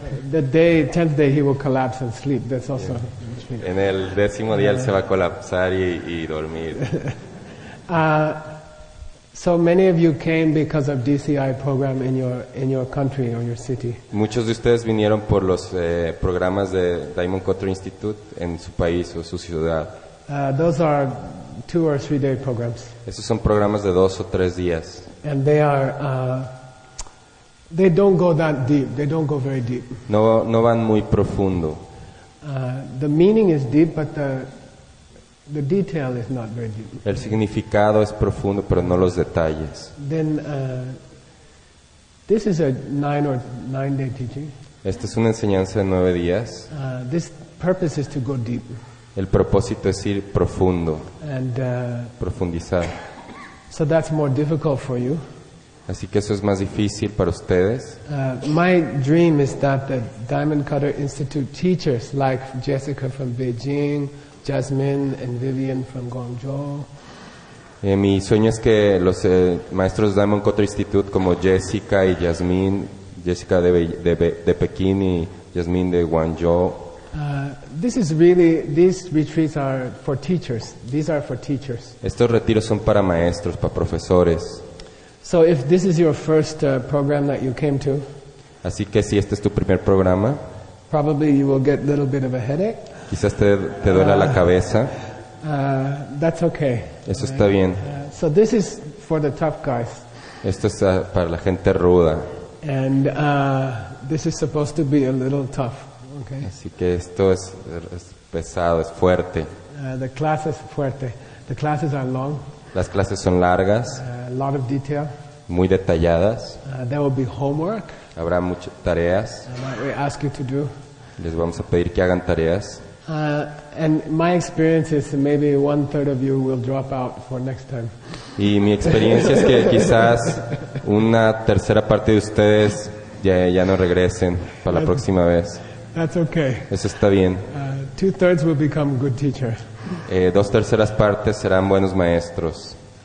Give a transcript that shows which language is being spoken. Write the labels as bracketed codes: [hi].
[en] The day, 10th day, he will collapse and sleep. That's also yeah. Retreat. [es] En el décimo día él se va a colapsar y dormir. [en] So many of you came because of DCI program in your country or your city. [es] Muchos de ustedes vinieron por los programas de Diamond Cutter Institute en su país o su ciudad. [en] Those are 2 or 3 day programs. [es] Esos son programas de 2 o 3 días. [en] And they are they don't go that deep. They don't go very deep. [es] No van muy profundo. [en] The meaning is deep, but the detail is not very deep. [es] El significado es profundo, pero no los detalles. [en] Then this is a 9 or 9 day teaching. [es] Esta es una enseñanza de 9 días. [en] This purpose is to go deep. [es] El propósito es ir profundo. [en] And [es] profundizar. [en] So that's more difficult for you. [es] Así que eso es más difícil para ustedes. [en] My dream is that the Diamond Cutter Institute teachers like Jessica from Beijing, Jasmine and Vivian from Guangzhou. [es] Mi sueño es que los maestros Diamond Cutter Institute como Jessica y Jasmine, Jessica de Pekín y Jasmine de Guangzhou. [en] This is really, these retreats are for teachers. These are for teachers. [es] Estos retiros son para maestros, para profesores. [en] So if this is your first program that you came to, [es] así que si este es tu primer programa, [en] probably you will get a little bit of a headache. [es] Quizás te duela la cabeza. [en] That's okay. [es] Eso está bien. [en] So this is for the tough guys. [es] Esto es para la gente ruda. [en] And this is supposed to be a little tough. Okay. [es] Así que esto es pesado, es fuerte. [en] The class is fuerte. The classes are long. [es] Las clases son largas. [en] A lot of detail. [es] Muy detalladas. [en] There will be homework. [es] Habrá muchas tareas. [en] That we ask you to do. [es] Les vamos a pedir que hagan tareas. [en] And my experience is maybe 1/3 of you will drop out for next time. [es] Y mi experiencia es que quizás una tercera parte de ustedes ya no regresen para la próxima vez. [en] That's okay. [es] Eso está bien. [en] 2/3 will become good teachers. [es] 2/3 partes serán buenos maestros.